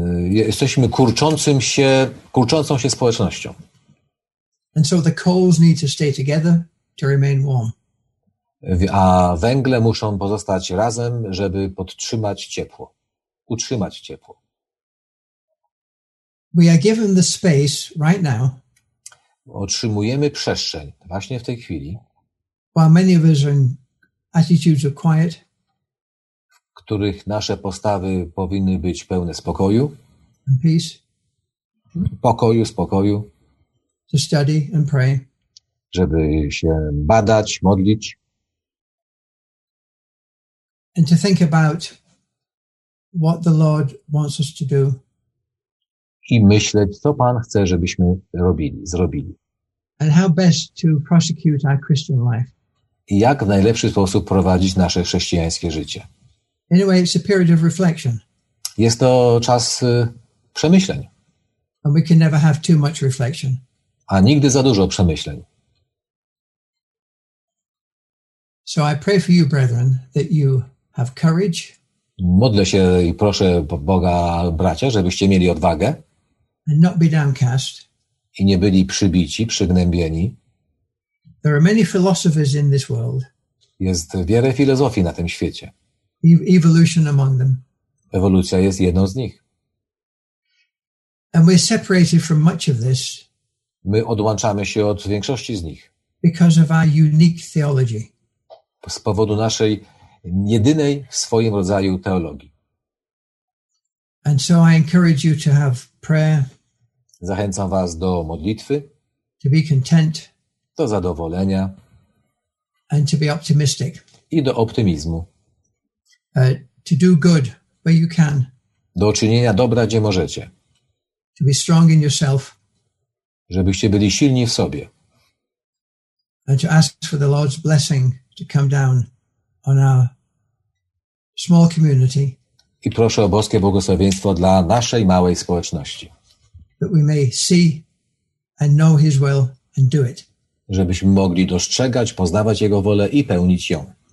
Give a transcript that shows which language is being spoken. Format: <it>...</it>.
<pl>Jesteśmy kurczącą się społecznością.</pl> <en>And so the coals need to stay together to remain warm.</en> <pl>A węgle muszą pozostać razem, żeby podtrzymać ciepło, utrzymać ciepło.</pl> <en>We are given the space right now.</en> <pl>Otrzymujemy przestrzeń właśnie w tej chwili.</pl> <en>While many of us are in attitudes of quiet.</en> <pl>W których nasze postawy powinny być pełne spokoju.</pl> <en>And peace.</en> <pl>Spokoju.</pl> <en>To study and pray.</en> <pl>Żeby się badać, modlić.</pl> <en>And to think about what the Lord wants us to do.</en> <pl>I myśleć, co Pan chce, żebyśmy zrobili.</pl> <en>And how best to prosecute our Christian life.</en> <pl>I jak w najlepszy sposób prowadzić nasze chrześcijańskie życie.</pl> <en>Anyway, it's a period of reflection.</en> <pl>Jest to czas przemyśleń.</pl> <en>And we can never have too much reflection.</en> <pl>A nigdy za dużo przemyśleń.</pl> <en>So I pray for you, brethren, that you have courage.</en> <pl>Modlę się i proszę Boga, bracia, żebyście mieli odwagę.</pl> <en>And not be downcast.</en> <pl>I nie byli przybici, przygnębieni.</pl> <en>There are many philosophers in this world.</en> <pl>Jest wiele filozofii na tym świecie.</pl> <en>Evolution among them.</en> <pl>Ewolucja jest jedną z nich.</pl> <en>And we're separated from much of this.</en> <pl>My odłączamy się od większości z nich.</pl> <en>Because of our unique theology.</en> <pl>Z powodu naszej jedynej w swoim rodzaju teologii.</pl> <en>And so I encourage you to have prayer.</en> <pl>Zachęcam was do modlitwy.</pl> <en>To be content.</en> <pl>Do zadowolenia.</pl> <en>And to be optimistic.</en> <pl>I do optymizmu.</pl> <en>To do good where you can.</en> <pl>Do czynienia dobra, gdzie możecie.</pl> <en>To be strong in yourself.</en> <pl>Żebyście byli silni w sobie.</pl> <en>And to ask for the Lord's blessing to come down on our small community.</en> <pl>I proszę o boskie błogosławieństwo dla naszej małej społeczności.</pl> <en>That we may see and know his will and do it.</en> <pl>Żebyśmy mogli dostrzegać, poznawać jego wolę i pełnić ją.</pl>